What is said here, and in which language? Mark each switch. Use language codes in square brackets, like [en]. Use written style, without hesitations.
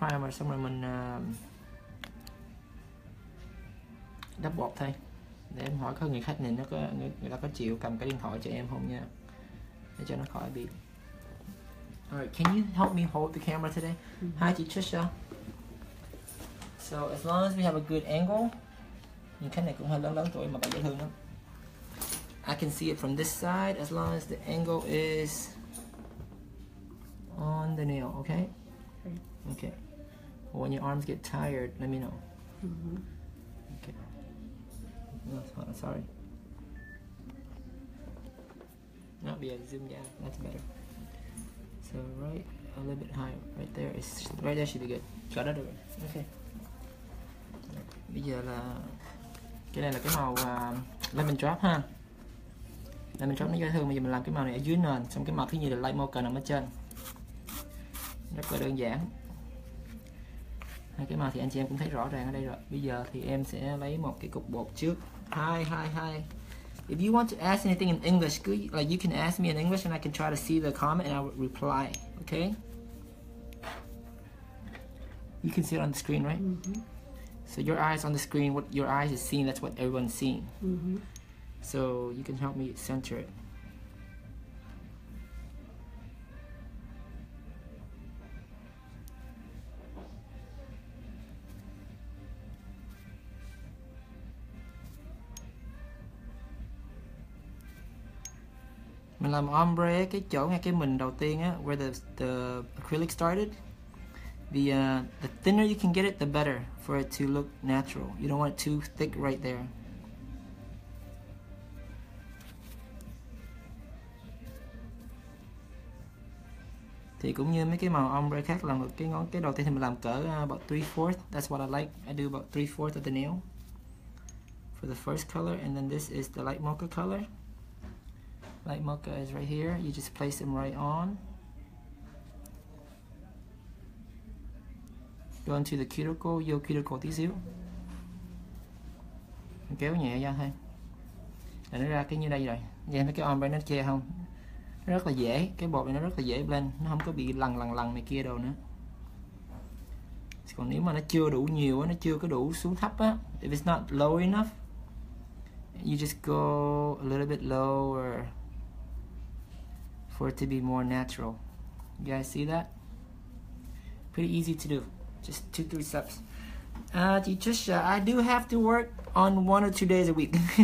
[vi] Xong rồi mình đắp bột thôi. Để em hỏi có người khách này nó có người ta có chịu cầm cái điện thoại cho em không nha. Để cho nó khỏi bị. [en] Alright, can you help me hold the camera today? Mm-hmm. Hi, Trisha. So, as long as we have a good angle. [vi] Nhìn cái này cũng hơi lớn lớn tuổi mà bà dễ thương lắm. [en] I can see it from this side as long as the angle is on the nail, okay? Okay. Well, when your arms get tired, let me know. Mm-hmm. Okay. No, sorry. Not be a zoom, yeah, that's better. So right a little bit higher, right there should be good. Got it. Okay. [vi] Bây giờ là cái này là cái màu lemon drop ha. Lemon drop nó dễ thương. Bây giờ mình làm cái màu này ở dưới nền, xong cái màu thứ nhì là light mocha nằm ở trên. Rất là đơn giản. Hai cái màu thì anh chị em cũng thấy rõ ràng ở đây rồi. Bây giờ thì em sẽ lấy một cái cục bột trước. [en] Hi. If you want to ask anything in English, like you can ask me in English and I can try to see the comment and I will reply, okay? You can see it on the screen, right? Mm-hmm. So your eyes on the screen, what your eyes is seeing, that's what everyone's seeing. Mm-hmm. So you can help me center it. [vi] Mình làm ombre cái chỗ ngay cái mình đầu tiên á, [en] where the acrylic started. The thinner you can get it, the better for it to look natural. You don't want it too thick right there. [vi] Thì cũng như mấy cái màu ombre khác, là một cái ngón cái đầu tiên thì mình làm cỡ [en] about 3/4. That's what I like. I do about 3/4 of the nail for the first color, and then this is the light mocha color. Light mocha is right here. You just place them right on. Go into the cuticle. [vi] Vô cuticle tí xíu. Mình kéo nhẹ ra thôi. Để nó ra cái như đây rồi. Nghe thấy cái ombre nó che không? Nó rất là dễ. Cái bột này nó rất là dễ blend. Nó không có bị lằn này kia đâu nữa. Còn nếu mà nó chưa đủ nhiều, nó chưa có đủ xuống thấp á. [en] If it's not low enough, you just go a little bit lower. For it to be more natural. You guys see that? Pretty easy to do. just 2-3 steps. Teacher, I do have to work on 1 or 2 days a week.